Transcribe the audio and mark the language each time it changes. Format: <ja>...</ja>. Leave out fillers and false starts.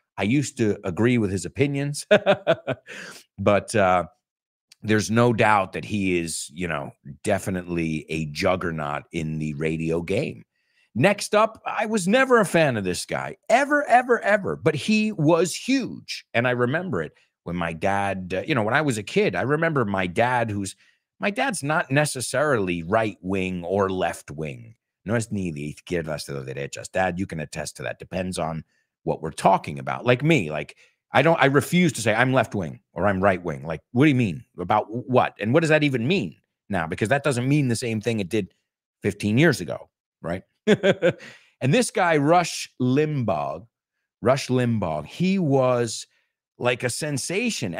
<en>I used to agree with his opinions, but there's no doubt that he is, you know, definitely a juggernaut in the radio game. Next up, I was never a fan of this guy, ever, ever, ever, but he was huge. And I remember it when my dad, you know, when I was a kid, I remember my dad, who's, my dad's not necessarily right wing or left wing.</en> <es>No es ni de izquierdas ni de derechas.</es> <en>Dad, you can attest to that. Depends on what we're talking about. Like me, like I refuse to say I'm left wing or I'm right wing. Like, what do you mean about what? And what does that even mean now? Because that doesn't mean the same thing it did 15 years ago, right? And this guy, Rush Limbaugh, he was like a sensation.</en>